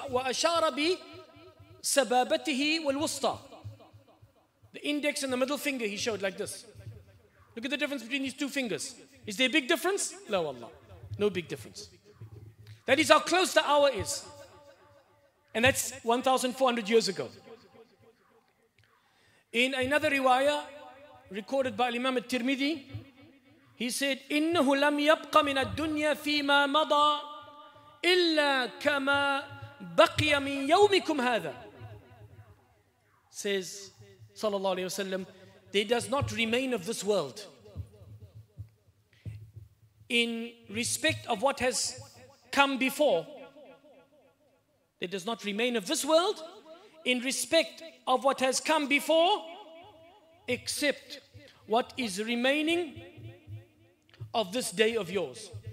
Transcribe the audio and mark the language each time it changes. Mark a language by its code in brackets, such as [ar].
[ar] وَأَشَارَ بِي سَبَابَتِهِ وَالْوُسْطَى. [en] The index and the middle finger he showed like this. Look at the difference between these two fingers. Is there a big difference? No, Allah. No big difference. That is how close the hour is. And that's 1,400 years ago. In another riwayah recorded by Imam al-Tirmidhi, he said, [ar] إِنَّهُ لَمْ يَبْقَ مِنَ الدُّنْيَا فِي مَا مَضَى إِلَّا كَمَا بَقِيَ مِنْ يَوْمِكُمْ هَذَا. [en] Says, sallallahu alayhi wa sallam, there does not remain of this world in respect of what has come before. There does not remain of this world in respect of what has come before, except what is remaining of this day of yours.